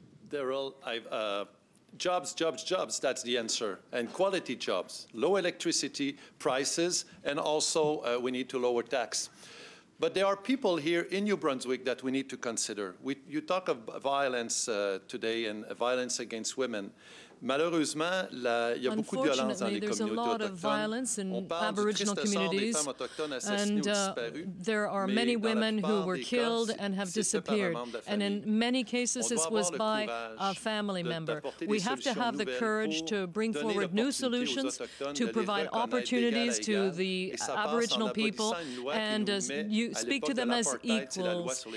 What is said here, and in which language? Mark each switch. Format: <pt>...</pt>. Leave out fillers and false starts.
<en>Daryl, Jobs, that's the answer. And quality jobs, low electricity prices, and also we need to lower tax. But there are people here in New Brunswick that we need to consider. You talk of violence today and violence against women.</en> <fr>Malheureusement, il y a beaucoup de violence dans les communautés autochtones.</fr> <en>There's a lot of violence in Aboriginal communities, and there are many women who were killed and have disappeared. And in many cases, this was by a family member. We have to have the courage to bring forward new solutions, to provide opportunities to the Aboriginal people, and you speak to them as equals.</en>